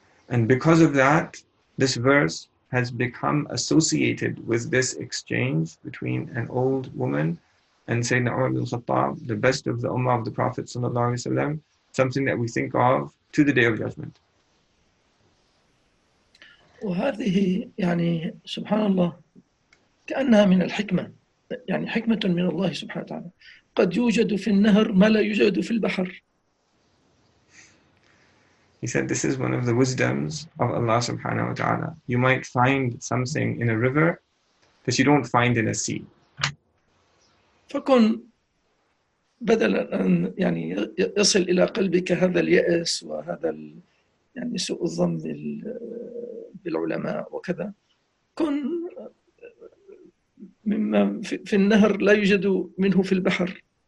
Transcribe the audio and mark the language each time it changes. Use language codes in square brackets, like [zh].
[en] And because of that, this verse has become associated with this exchange between an old woman and Sayyidina Umar ibn al-Khattab, the best of the Ummah of the Prophet sallallahu alaihi wasallam, something that we think of to the Day of Judgment. [ar] وهذه يعني سبحان الله كأنها من الحكمة يعني حكمة من الله سبحانه وتعالى قد يوجد في النهر ما لا يوجد في البحر. [en] He said this is one of the wisdoms of Allah subhanahu wa ta'ala. You might find something in a river that you don't find in a sea. [ar] فكن بدلا أن يعني يصل إلى قلبك هذا اليأس وهذا يعني سوء الظن بالعلماء وكذا كن مما في النهر لا يوجد منه في البحر.